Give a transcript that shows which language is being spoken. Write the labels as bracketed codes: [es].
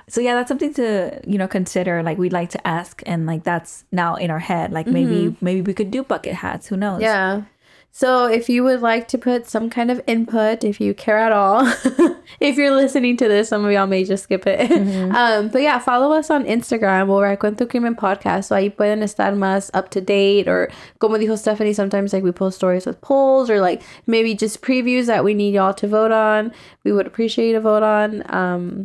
[en] So yeah, that's something to, you know, consider. Like we'd like to ask. And like, that's now in our head. Like maybe we could do bucket hats. Who knows? Yeah. So if you would like to put some kind of input, if you care at all, if you're listening to this, some of y'all may just skip it. Mm-hmm. But yeah, follow us on Instagram. We're at Cuento Crimen Podcast. [es] So ahí pueden estar más [en] up to date. Or [es] como dijo Stephanie, [en] sometimes like we post stories with polls or like maybe just previews that we need y'all to vote on. We would appreciate a vote on.